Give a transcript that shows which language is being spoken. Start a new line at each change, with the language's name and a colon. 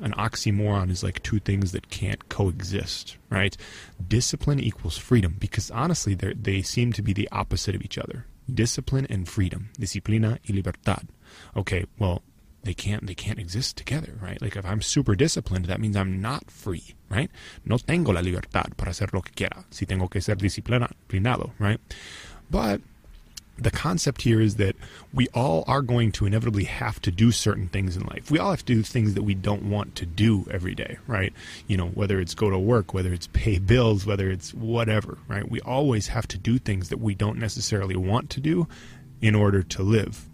English: An oxymoron is like two things that can't coexist, right? Discipline equals freedom, because honestly, they seem to be the opposite of each other. Discipline and freedom.
Spanish: Disciplina y libertad.
English: Okay, well, they can't exist together, right? Like, if I'm super disciplined, that means I'm not free, right?
Spanish: No tengo la libertad para hacer lo que quiera. Si tengo que ser disciplinado, right?
English: But the concept here is that we all are going to inevitably have to do certain things in life. We all have to do things that we don't want to do every day, right? You know, whether it's go to work, whether it's pay bills, whether it's whatever, right? We always have to do things that we don't necessarily want to do in order to live.